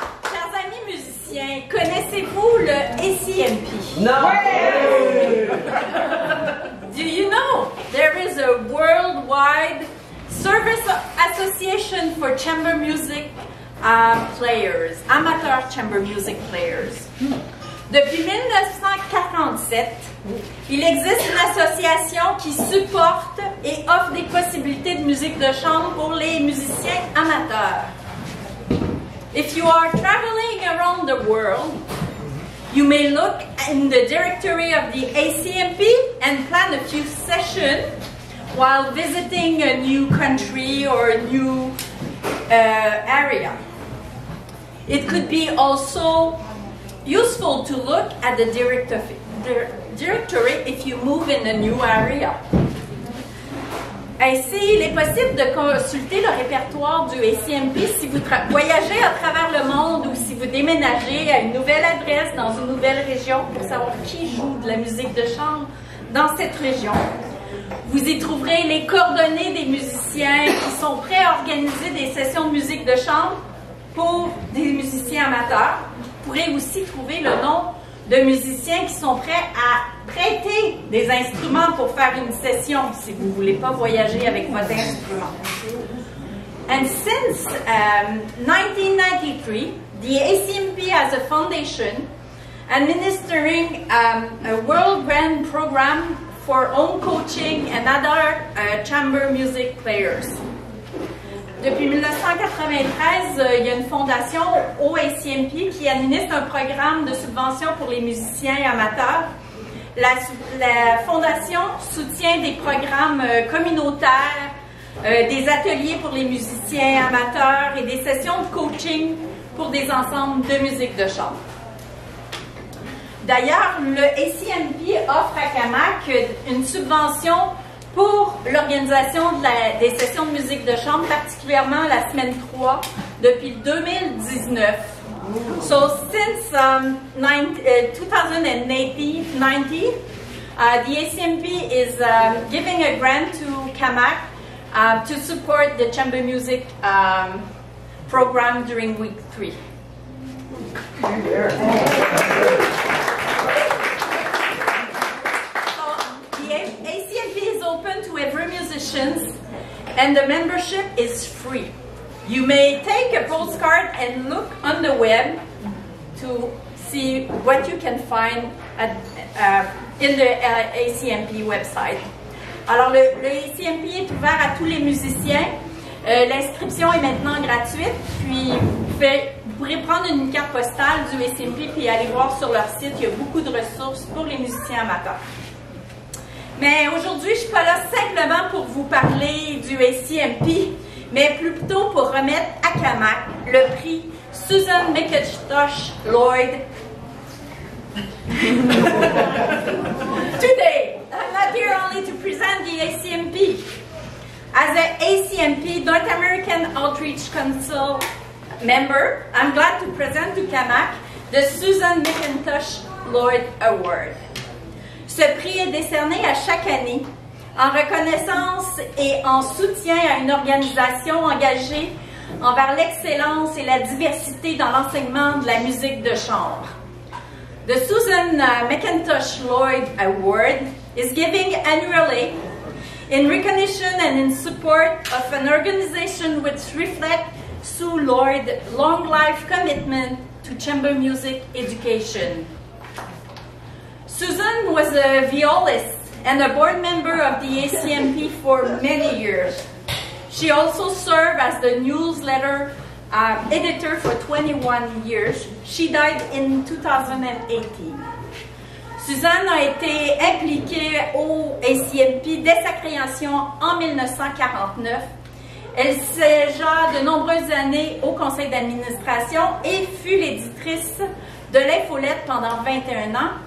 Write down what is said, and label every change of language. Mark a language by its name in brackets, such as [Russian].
[French] Chers amis musiciens, connaissez-vous le ACMP? Non. [English] Do you know there is a worldwide service association for chamber music players, amateur chamber music players? [French] Depuis 1947, il existe une association qui supporte et offre des possibilités de musique de chambre pour les musiciens amateurs. [English] If you are traveling around the world, you may look in the directory of the ACMP and plan a few sessions while visiting a new country or a new area. It could be also useful to look at the directory if you move in a new area. [French] Ainsi, il est possible de consulter le répertoire du ACMP si vous voyagez à travers le monde ou si vous déménagez à une nouvelle adresse dans une nouvelle région pour savoir qui joue de la musique de chambre dans cette région. Vous y trouverez les coordonnées des musiciens qui sont prêts à organiser des sessions de musique de chambre pour des musiciens amateurs. Vous pourrez aussi trouver le nom de musiciens qui sont prêts à prêter des instruments pour faire une session si vous ne voulez pas voyager avec votre instrument. [English] And since 1993, the ACMP as a foundation administering a world grand program for home coaching and other chamber music players. [French] Depuis 1993, il y a une fondation au ACMP qui administre un programme de subvention pour les musiciens et amateurs. La fondation soutient des programmes communautaires, des ateliers pour les musiciens amateurs et des sessions de coaching pour des ensembles de musique de chambre. D'ailleurs, le ACMP offre à Camac une subvention pour l'organisation des sessions de musique de chambre, particulièrement la semaine 3, depuis 2019. [English] So, since 1990, the ACMP is giving a grant to Camac to support the chamber music program during week 3. So, the ACMP is open to every musician and the membership is free. You may take a postcard and look on the web to see what you can find at, in the ACMP website. [French] Alors, le ACMP est ouvert à tous les musiciens. L'inscription est maintenant gratuite. Puis, vous pourrez prendre une carte postale du ACMP puis aller voir sur leur site. Il y a beaucoup de ressources pour les musiciens amateurs. Mais aujourd'hui, je ne suis pas là simplement pour vous parler du ACMP, mais plutôt pour remettre à Camac le prix Susan McIntosh Lloyd. [English] Today, I'm not here only to present the ACMP. As an ACMP, North American Outreach Council member, I'm glad to present to Camac the Susan McIntosh Lloyd Award. [French] Ce prix est décerné à chaque année en reconnaissance et en soutien à une organisation engagée envers l'excellence et la diversité dans l'enseignement de la musique de chambre. [English] The Susan McIntosh Lloyd Award is given annually in recognition and in support of an organization which reflects Sue Lloyd's long life commitment to chamber music education. Susan was a violist and a board member of the ACMP for many years. She also served as the newsletter editor for 21 years. She died in 2018. [French] Suzanne a été impliquée au ACMP dès sa création en 1949. Elle siégea de nombreuses années au conseil d'administration et fut l'éditrice de l'infolettre pendant 21 ans.